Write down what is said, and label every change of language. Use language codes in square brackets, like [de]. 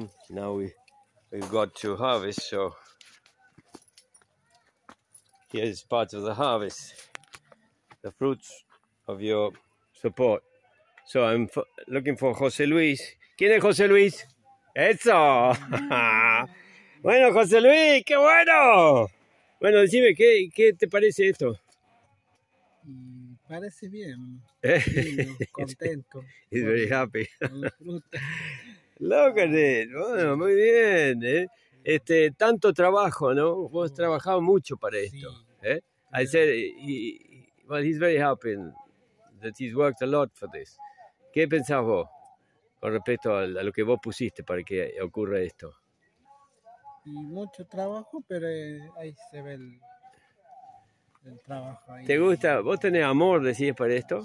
[en] Now we've got to harvest, so here's part of the harvest, the fruits of your support. So I'm looking for Jose Luis. [es] ¿Quién es Jose Luis? ¡Eso! Bueno, Jose Luis, ¡qué bueno! Bueno, decime, ¿qué te parece esto? Parece bien. Contento. [en] He's very happy. Look at it. [es] Bueno, muy bien. Tanto trabajo, ¿no? Vos has trabajado mucho para esto. [en] I said, he's very happy that he's worked a lot for this. [es] ¿Qué pensás vos con respecto a lo que vos pusiste para que ocurra esto? Y mucho trabajo, pero ahí se ve el trabajo. Ahí. ¿Te gusta? ¿Vos tenés amor, decís, para esto?